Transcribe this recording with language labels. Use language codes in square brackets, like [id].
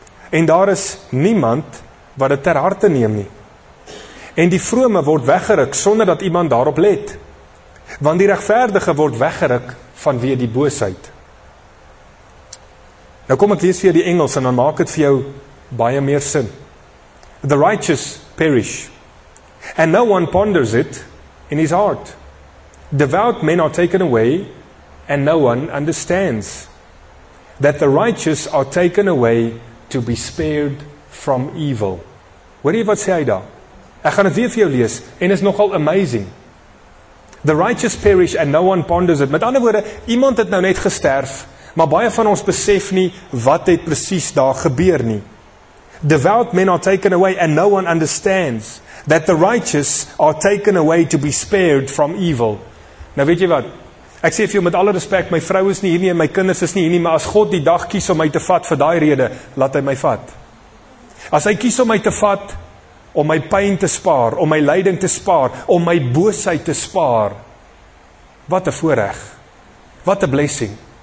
[af] En daar is niemand wat dit ter harte neem nie. En die vrome word weggeruk sonder dat iemand daarop let. Want die regverdige word weggeruk vanweë die boosheid. Nou kom ek lees vir die Engels en dan maak dit vir jou baie meer sin. [en] The righteous perish, and no one ponders it in his heart. Devout men are taken away, and no one understands that the righteous are taken away to be spared from evil. [af] Hoor jy wat sê hy daar? Ek gaan het weer vir jou lees, en is nogal amazing. [en] The righteous perish, and no one ponders it. [af] Met ander woorde, iemand het nou net gesterf, maar baie van ons besef nie wat het precies daar gebeur nie. [en] Devout men are taken away and no one understands that the righteous are taken away to be spared from evil. [af] Nou weet jy wat, ek sê vir jou met alle respect, my vrou is nie hier nie en my kinders is nie hier nie, maar as God die dag kies om my te vat vir die rede, laat hy my vat. As hy kies om my te vat, om my pijn te spaar, om my lyding te spaar, om my boosheid te spaar, wat 'n voorreg, wat 'n blessing.